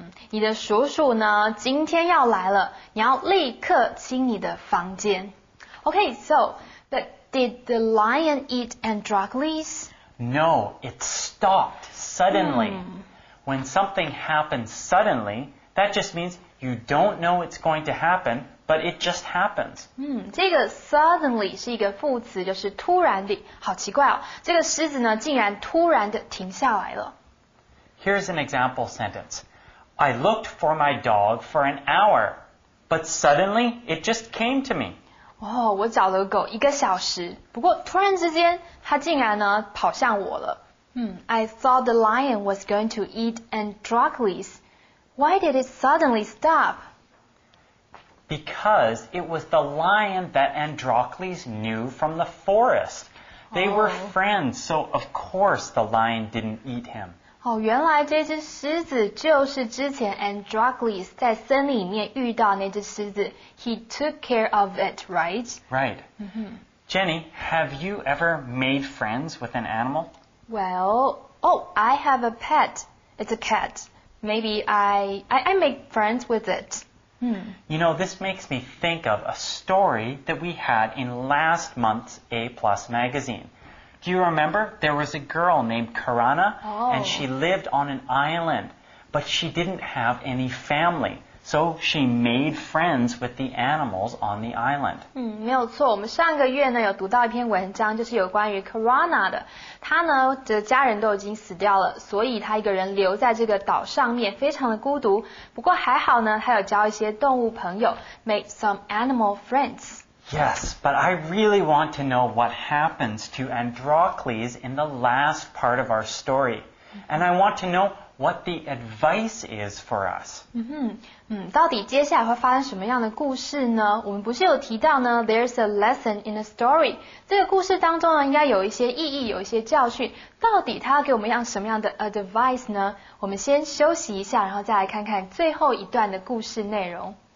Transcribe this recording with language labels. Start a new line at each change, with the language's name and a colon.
Chinese: 你的叔叔呢今天要来了，你要立刻清你的房间。
English: OK, so, but did the lion eat Androcles? No, it stopped suddenly. When something happens suddenly, that just means you don't know it's going to happen, but it just happens.
Chinese: 这个 suddenly 是一个副词，就是突然的，好奇怪哦，这个狮子呢竟然突然的停下来了。
English: Here's an example sentence. I looked for my dog for an hour, but suddenly it just came to me.
Chinese: 我找了狗一个小时，不过突然之间它竟然呢跑向我了。
English: I thought the lion was going to eat Androcles. Why did it suddenly stop? Because it was the lion that Androcles knew from the forest. They were friends, so of course the lion didn't eat him.
Chinese: 原来这只狮子就是之前 Androcles 在森林里面遇到那只狮子。
English: He took care of it, right? Right. Jenny, have you ever made friends with an animal? Well, I have a pet. It's a cat. Maybe I make friends with it. You know, this makes me think of a story that we had in last month's A+ magazine. Do you remember? There was a girl named Karana, and she lived on an island, but she didn't have any family. So she made friends with the animals on the island.
Chinese: 没有错，我们上个月呢有读到一篇文章，就是有关于 Karana 的。她呢的家人都已经死掉了，所以她一个人留在这个岛上面，非常的孤独。不过还好呢，她有交一些动物朋友，
English: made some animal friends. Yes, but I really want to know what happens to Androcles in the last part of our story. And I want to know what the advice is for us.
Chinese: 到底接下来会发生什么样的故事呢？我们不是有提到呢 ，
English: there's a lesson in a story。
Chinese: 这个故事当中呢，应该有一些意义，有一些教训。到底它要给我们什么样的 advice 呢？我们先休息一下，然后再来看看最后一段的故事内容。